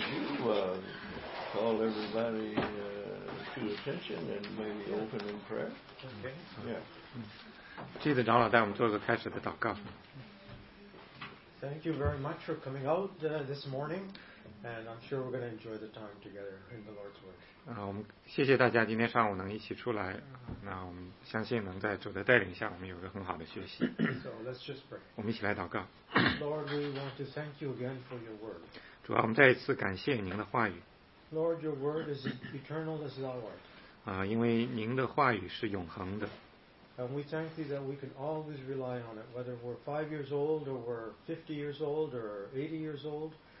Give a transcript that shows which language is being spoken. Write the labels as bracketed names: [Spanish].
[English] everybody to attention and maybe open in prayer. Okay. Yeah. [Chinese] 记得长老带我们做个开始的祷告。 [English] Thank you very much for coming out this morning, and I'm sure we're going to enjoy the time together in the Lord's work. [Chinese] 我们谢谢大家今天上午能一起出来，那我们相信能在主的带领下，我们有个很好的学习。 [English] So let's just pray. [Chinese] 我们一起来祷告。 [English] Lord, we want to thank you again for your word. [Chinese] 主啊，我们再一次感谢您的话语。 [English] Lord, your word is eternal as our word. [Chinese] 因为您的话语是永恒的。 [English] And we thank you that we can always rely on it, whether we're 5 years old or we're 50 years old or 80 years old.